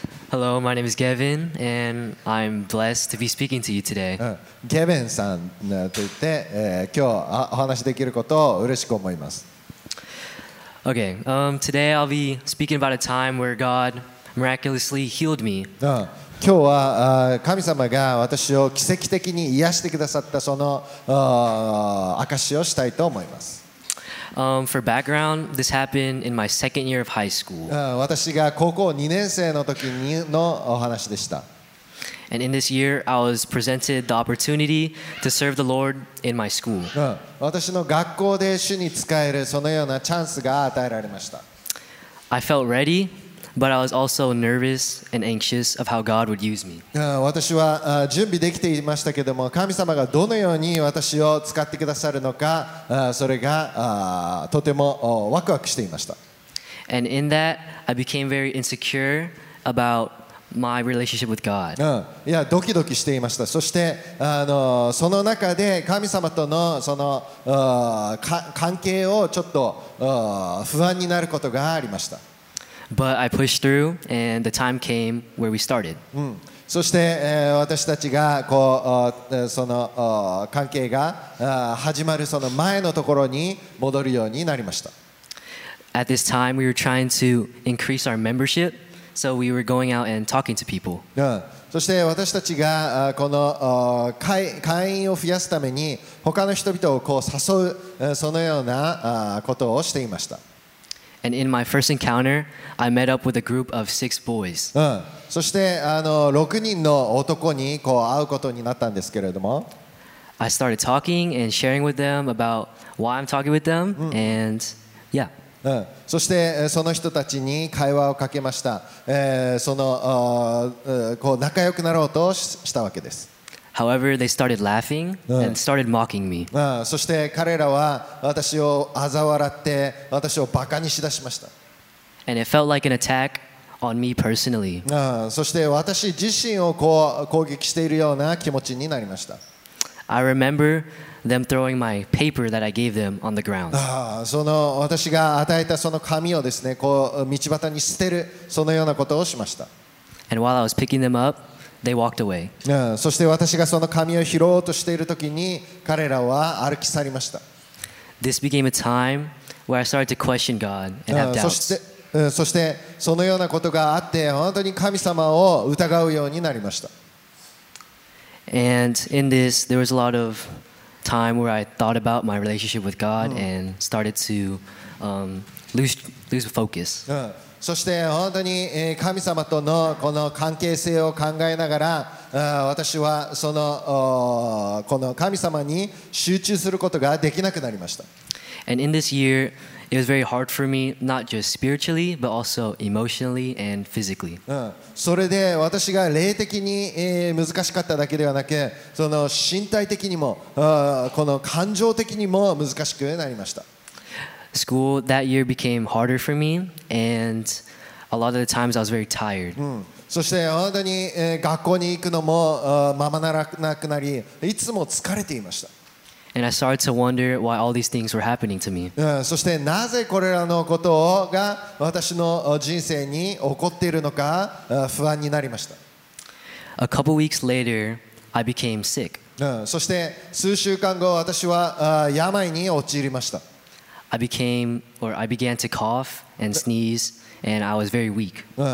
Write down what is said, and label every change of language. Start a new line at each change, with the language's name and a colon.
English: Hello, my name is Gavin and I'm blessed to be speaking to you today.
Japanese: Gavin さんと言って、今日お話できることを嬉しく思います。
English: Okay, today I'll be speaking about a time where God miraculously healed me.
Japanese: 今日は神様が私を奇跡的に癒してくださったその証しをしたいと思います。
English: For background, this happened in my second year of high school.
Japanese: 私が高校2年生の時にのお話でした。
English: And in this year, I was presented the opportunity to serve the Lord in my school.
Japanese: 私の学校で主に仕えるそのようなチャンスが与えられました。
English: I felt ready. But I was also nervous and anxious of how God would use me.
Japanese: 私は準備できていましたけれども、神様がどのように私を使ってくださるのか、それがとてもワクワクしていました。
English: And in that, I became very insecure about my relationship with God.
Japanese: いや、ドキドキしていました。そしてその中で神様とのその関係をちょっと不安になることがありました。
English: But I pushed through, and the time came where we started.
Japanese: そして、私たちがこう、その、関係が、始まるその前のところに戻るようになりました。
English: At this time, we were trying to increase our membership, so we were going out and talking to people.
Japanese: そして私たちがこの会員を増やすために他の人々をこう誘うそのようなことをしていました。
English: And in my first encounter, I met up with a group of six boys.
Japanese: そして6人の男にこう会うことになったんですけれども、
English: I started talking and sharing with them about why I'm talking with them, and yeah.
Japanese: そしてその人たちに会話をかけました。その、こう仲良くなろうとしたわけです。
English: However, they started laughing and started mocking me.
Japanese: そして彼らは私を嘲笑って私をバカにしだしました。
English: And it felt like an attack on me personally.
Japanese: そして私自身をこう攻撃しているような気持ちになりました。
English: I remember them throwing my paper that I gave them on the ground.
Japanese: その私が与えたその紙をですね、こう道端に捨てるそのようなことをしました。
English: And while I was picking them up,They walked away.
Japanese: そして私がその紙を拾おうとしているときに彼らは歩き去りました。
English: This became a time where I started to question God and have doubts.
Japanese: そしてそのようなことがあって本当に神様を疑うようになりました。
English: And in this, there was a lot of time where I thought about my relationship with God and started to lose focus.
Japanese: そして本当に神様とのこの関係性を考えながら私はそのこの神様に集中することができなくなりました。
English: And in this year, it was very hard for me, not just spiritually, but also emotionally and physically.
Japanese: それで私が霊的に難しかっただけではなく、その身体的にもこの感情的にも難しくなりました。
English: School that year became harder for me, and a lot of the times I was very tired.
Japanese: そして本当に学校に行くのもままならなくなり、いつも疲れていました。
English: And I started to wonder why all these things were happening to me.
Japanese: そしてなぜこれらのことが私の人生に起こっているのか不安になりました。
English: a couple weeks later, I became sick.
Japanese: そして数週間後、私は病に陥りました。
English: I began to cough and sneeze, and I was very weak.